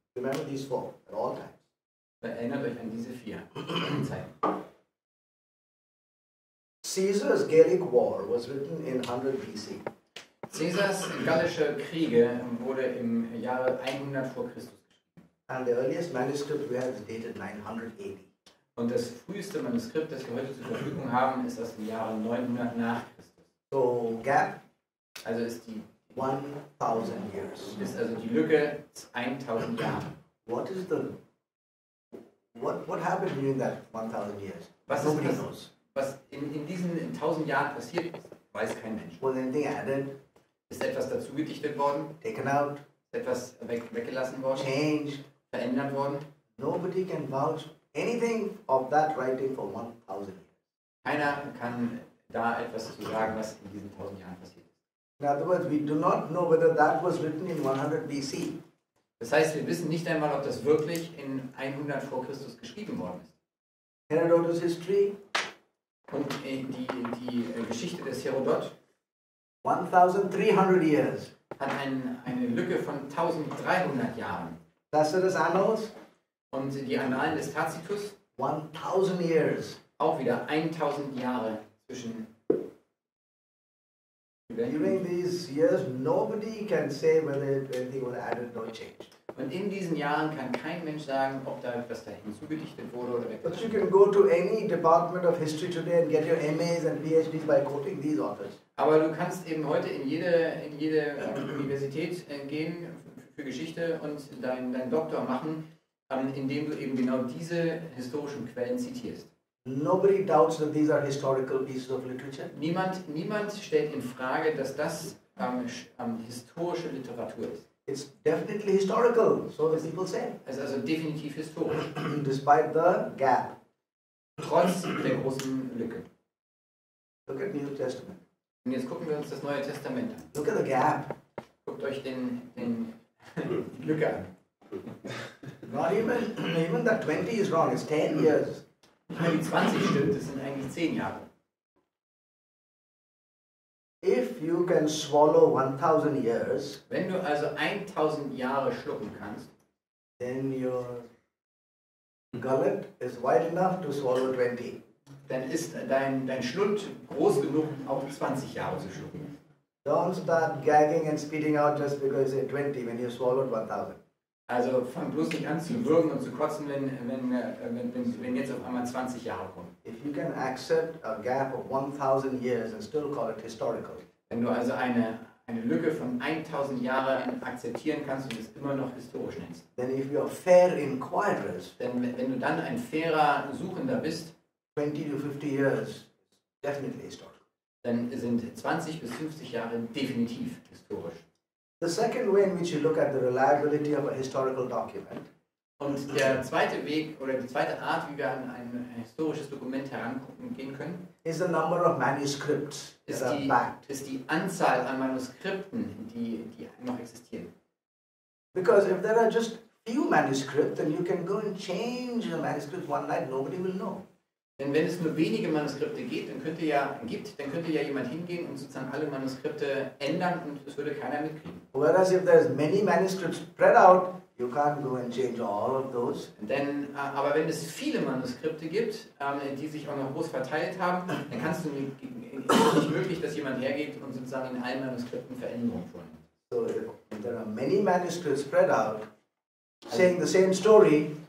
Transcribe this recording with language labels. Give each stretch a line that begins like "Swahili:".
English: Remember these four, at all times.
German: Erinnert euch an diese vier. Zeit.
English: Caesar's Gallic War was written in 100 BC.
German: Caesars gallische Kriege wurde im Jahre 100 vor Christus geschrieben.
English: And the earliest manuscript we have is dated 980.
German: Und das früheste Manuskript, das wir heute zur Verfügung haben, ist aus dem Jahre 900 nach Christus.
English: So gap.
German: Also ist die
English: 1000 years.
German: Ist also die Lücke 1000 Jahre.
English: What is the what happened during that 1000 years?
German: Was ist das? Was in diesen 1000 Jahren passiert ist, weiß kein Mensch.
English: Well, then they added,
German: ist etwas dazu gedichtet worden?
English: Taken out,
German: etwas weggelassen worden?
English: Changed,
German: verändert worden?
English: Nobody can vouch anything of that writing for 1000 years.
German: Keiner kann da etwas zu sagen, was in diesen 1000 Jahren passiert ist.
English: In other words, we do not know whether that was written in 100 BC.
German: Das heißt, wir wissen nicht einmal, ob das wirklich in 100 vor Christus geschrieben worden ist.
English: Herodotus History.
German: Und die Geschichte des Herodot
English: 1300 years.
German: Hat eine Lücke von 1300 Jahren.
English: Tacitus Annals.
German: Und die Annalen des Tacitus
English: 1000 years.
German: Auch wieder 1000 Jahre zwischen.
English: During these years, nobody can say whether anything was added or changed.
German: Und in diesen Jahren kann kein Mensch sagen, ob da etwas da hinzugedichtet wurde oder weggelassen.
English: But you can go to any department of history today and get your MAs and PhDs by quoting these authors.
German: Aber du kannst eben heute in jede Universität gehen für Geschichte und deinen Doktor machen, indem du eben genau diese historischen Quellen zitierst.
English: Nobody doubts that these are historical pieces of literature.
German: Niemand stellt in Frage, dass das historische Literatur ist.
English: It's definitely historical, so the people say.
German: Es ist also definitiv historisch.
English: Despite the gap.
German: Trotz der großen Lücke.
English: Look at the New Testament.
German: Und jetzt gucken wir uns das Neue Testament an.
English: Look at the gap.
German: Guckt euch den Lücke an.
English: Not even that 20 is wrong, it's 10 years.
German: Ich meine, die 20 stimmt, das sind eigentlich 10 Jahre.
English: If you can swallow 1000 years,
German: wenn du also 1000 Jahre schlucken kannst,
English: then your gullet is wide enough to swallow 20.
German: Dann ist dein Schlund groß genug, auch 20 Jahre zu schlucken.
English: Don't start gagging and spitting out just because you're 20 when you swallowed 1000.
German: Also fang bloß nicht an zu würgen und zu kotzen, wenn jetzt auf einmal 20 Jahre kommen.
English: If you can accept a gap of 1000 years and still call it historical.
German: Wenn du also eine Lücke von 1000 Jahren akzeptieren kannst und es immer noch historisch nennst.
English: Then if you are fair inquirer,
German: denn wenn du dann ein fairer Suchender bist,
English: 20 to 50 years definitely historic.
German: Dann sind 20 bis 50 Jahre definitiv historisch.
English: The second way in which you look at the reliability of a historical document.
German: Und der zweite Weg oder die zweite Art, wie wir an ein historisches Dokument herangucken gehen können,
English: is the number of manuscripts
German: ist die Anzahl an Manuskripten, die noch existieren.
English: Because if there are just few manuscripts, then you can go and change the manuscript one night, nobody will know.
German: Denn wenn es nur wenige Manuskripte gibt, dann könnte ja jemand hingehen und sozusagen alle Manuskripte ändern und es würde keiner mitkriegen.
English: Whereas if there's many manuscripts spread out, you can't go and change all of those.
German: Denn aber wenn es viele Manuskripte gibt, die sich auch noch groß verteilt haben, dann kannst du nicht möglich, dass jemand hergeht und sozusagen in allen Manuskripten Veränderungen vornimmt.
English: So if there are many manuscripts spread out, saying the same story.